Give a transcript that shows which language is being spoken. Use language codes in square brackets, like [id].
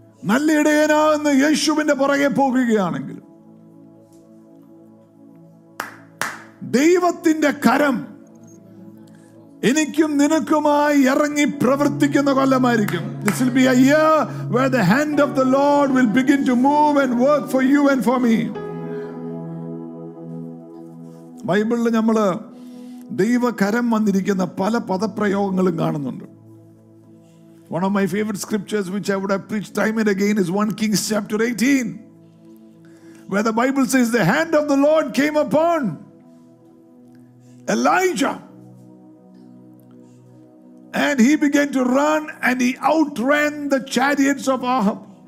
[ml] നല്ല ഇടയനാകുന്ന യേശുവിന്റെ പുറകെ പോകുകയാണെങ്കിൽ ദൈവത്തിന്റെ കരം എനിക്കും നിനക്കുമായി ഇറങ്ങി പ്രവർത്തിക്കുന്ന കൊല്ലമായിരിക്കും. [en] This will be a year where the hand of the Lord will begin to move and work for you and for me. [ml] ബൈബിളിൽ നമ്മള് ദൈവകരം വന്നിരിക്കുന്ന പല പദപ്രയോഗങ്ങളും കാണുന്നുണ്ട്. [en] One of my favorite scriptures which I would have preached time and again is 1 Kings chapter 18, where the Bible says the hand of the Lord came upon Elijah and he began to run and he outran the chariots of Ahab.